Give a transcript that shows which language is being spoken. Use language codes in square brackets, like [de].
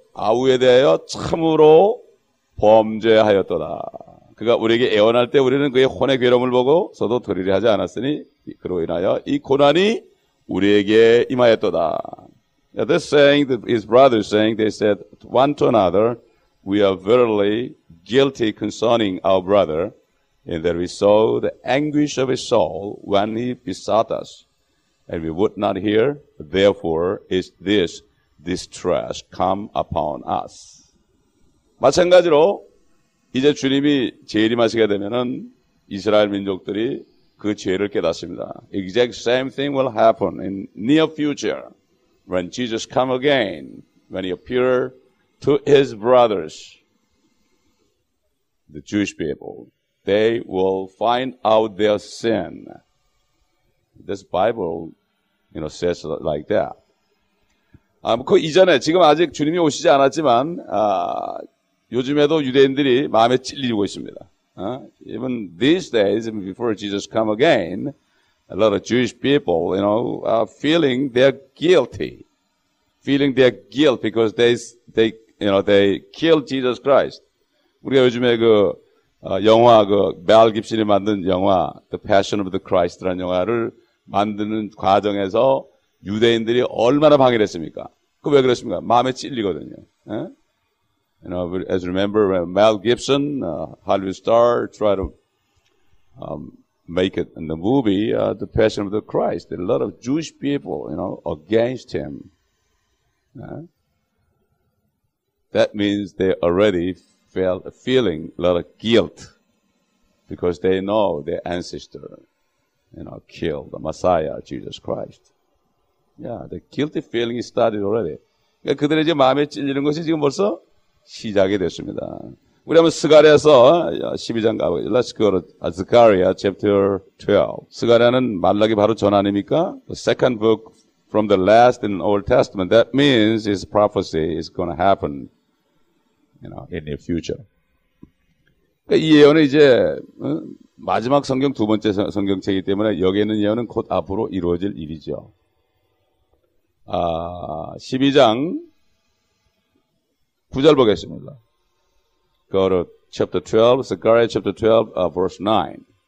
[ko] 아우에 대하여 참으로 범죄하였도다. 그가 우리에게 애원할 때 우리는 그의 혼의 괴로움을 보고서도 두려워 하지 않았으니 그로 인하여 이 고난이 우리에게 임하였도다. [en] Now this saying, that his brothers saying, they said one to another, we are verily guilty concerning our brother, in that we saw the anguish of his soul when he besought us, and we would not hear, therefore is this distress come upon us. [ko] 마찬가지로 이제 주님이 재림하시게 되면은 이스라엘 민족들이 그 죄를 깨닫습니다. [en] Exact same thing will happen in near future when Jesus come again, when he appear to his brothers, the Jewish people, they will find out their sin. This Bible, you know, says like that. [ko] 아, 그 이전에 지금 아직 주님이 오시지 않았지만, 아, 요즘에도 유대인들이 마음에 찔리고 있습니다. [en] Even these days, even before Jesus come again, a lot of Jewish people, you know, are feeling they're guilty. Feeling their guilt because they killed Jesus Christ. [ko] 우리가 요즘에 그 영화, 그 멜 깁슨이 만든 영화, The Passion of the Christ라는 영화를 만드는 과정에서 유대인들이 얼마나 방해를 했습니까? 그 왜 그랬습니까? 마음에 찔리거든요. [en] You know, as you remember, when Mel Gibson, Hollywood star, tried to make it in the movie, The Passion of the Christ. A lot of Jewish people, you know, against him. That means they already felt a feeling, a lot of guilt, because they know their ancestor, you know, killed the Messiah, Jesus Christ. Yeah, the guilty feeling started already. [ko] 그러니까 그들의 이제 마음에 찔리는 것이 지금 벌써 시작이 됐습니다. 우리 한번 스가랴서 12장 가보죠. [en] Let's go to Zechariah chapter 12. [ko] 스가랴는 말라기 바로 전 아닙니까? [en] The second book from the last in Old Testament. That means his prophecy is going to happen, you know, in the future. [ko] 그러니까 이 예언은 이제 마지막 성경 두 번째 성경책이기 때문에 여기 있는 예언은 곧 앞으로 이루어질 일이죠. 아, 12장 9절 보겠습니다. [en] Go to chapter 12, Zechariah chapter 12, verse 9.